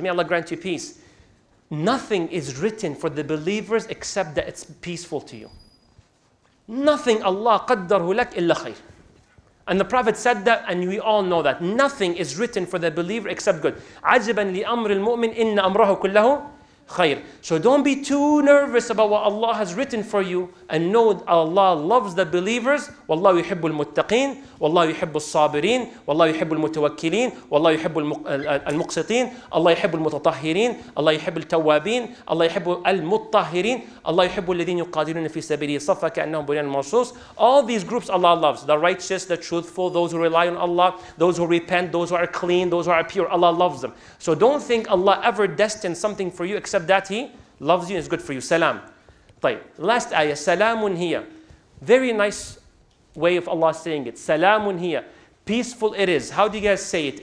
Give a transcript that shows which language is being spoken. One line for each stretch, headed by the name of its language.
English: May Allah grant you peace. Nothing is written for the believers except that it's peaceful to you. Nothing Allah
Arabic: قدره لك إلا خير.
English: And the Prophet said that, and we all know that. Nothing is written for the believer except good.
Arabic: عجباً لأمر المؤمن إن أمره كله خير.
English: So don't be too nervous about what Allah has written for you, and know that Allah loves the believers.
Arabic: والله يحب المتقين, والله يحب الصابرين, والله يحب المتوكلين, والله يحب المقسطين, الله يحب المتطهرين, الله يحب التوابين, الله يحب المطهرين, الله يحب الذين يقاتلون في سبيله صفا كأنهم بنيان مرصوص.
English: All these groups Allah loves: the righteous, the truthful, those who rely on Allah, those who repent, those who are clean, those who are pure. Allah loves them. So don't think Allah ever destined something for you except that He loves you and is good for you. Salam. طيب. Last ayah, salamun hiya. Very nice way of Allah saying it. Salamun hiya. Peaceful it is. How do you guys say it?